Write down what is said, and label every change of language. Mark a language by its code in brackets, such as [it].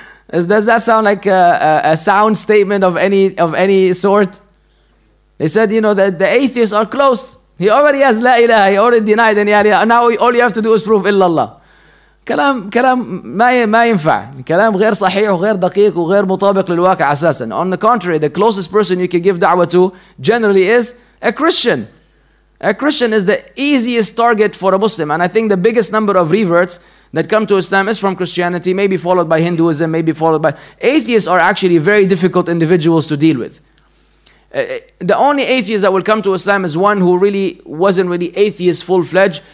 [en] Does that sound like a sound statement of any sort? They said, you know, that the atheists are close. He already has La ilaha. He already denied any ilaha. Now all you have to do is prove illallah. [ar] كلام ما ينفع. كلام غير صحيح وغير دقيق وغير مطابق للواقع أساسا. [en] On the contrary, the closest person you can give da'wah to generally is a Christian. A Christian is the easiest target for a Muslim. And I think the biggest number of reverts that come to Islam is from Christianity, maybe followed by Hinduism, maybe followed by... Atheists are actually very difficult individuals to deal with. The only atheist that will come to Islam is one who really wasn't really atheist full-fledged.